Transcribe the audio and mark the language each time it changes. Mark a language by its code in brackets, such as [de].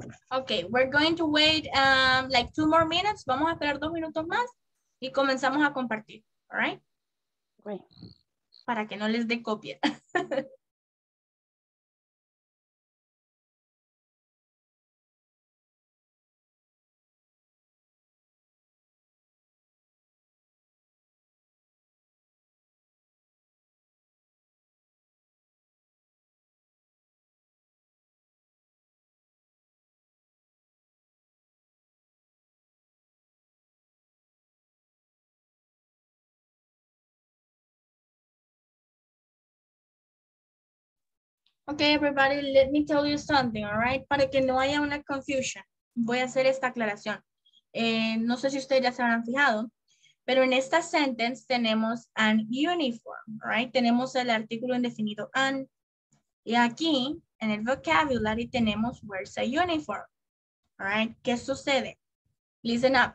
[en] Okay, we're going to wait like 2 more minutes. [es] Vamos a esperar 2 minutos más y comenzamos a compartir. [en] All right? Great. [es] Para que no les dé copia. [en] Okay, everybody, let me tell you something, all right? [es] Para que no haya una confusion, voy a hacer esta aclaración. No sé si ustedes ya se habrán fijado, pero en esta sentence tenemos [en] an uniform, all right? [es] Tenemos el artículo indefinido an. Y aquí, en el vocabulary, tenemos [en] where's a uniform, all right? [es] ¿Qué sucede? [en] Listen up.